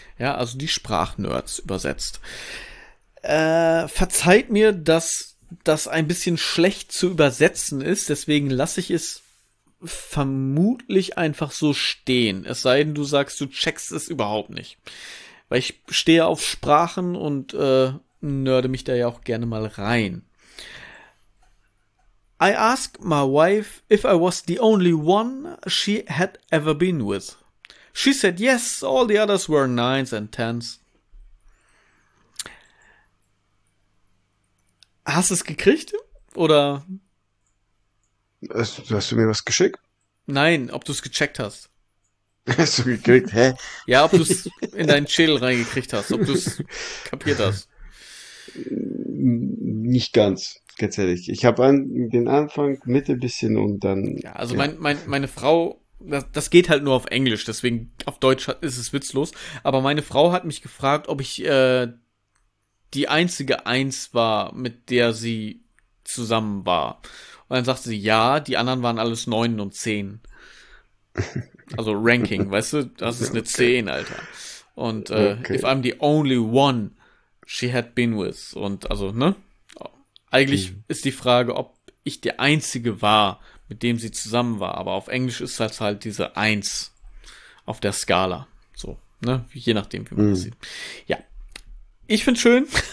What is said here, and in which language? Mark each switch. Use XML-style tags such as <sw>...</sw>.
<de>Ja, also die Sprachnerds übersetzt. Verzeiht mir, dass das ein bisschen schlecht zu übersetzen ist, deswegen lasse ich es vermutlich einfach so stehen. Es sei denn, du sagst, du checkst es überhaupt nicht. Weil ich stehe auf Sprachen und nerde mich da ja auch gerne mal rein.</de> <en>I asked my wife if I was the only one she had ever been with. She said yes, all the others were nines and tens.</en> <de>Hast du es gekriegt? Oder? Hast du mir was geschickt? Nein, ob du es gecheckt hast. Hast du gekriegt, hä? Ja, ob du es in deinen Schädel reingekriegt hast, ob du es kapiert hast. Nicht ganz, ganz ehrlich. Ich habe den Anfang, Mitte bisschen und dann... Ja, also ja. Meine Frau, das geht halt nur auf Englisch, deswegen auf Deutsch ist es witzlos, aber meine Frau hat mich gefragt, ob ich die einzige Eins war, mit der sie zusammen war. Und dann sagte sie, ja, die anderen waren alles Neunen und Zehn. Also Ranking, weißt du, das ist eine 10, Alter. Und</de> <en>if I'm the only one she had been with.</en> <de>Und also, ne? Eigentlich ist die Frage, ob ich der Einzige war, mit dem sie zusammen war. Aber auf Englisch ist das halt diese 1 auf der Skala. So, ne? Je nachdem, wie man das sieht. Ja. Ich find's schön.</de>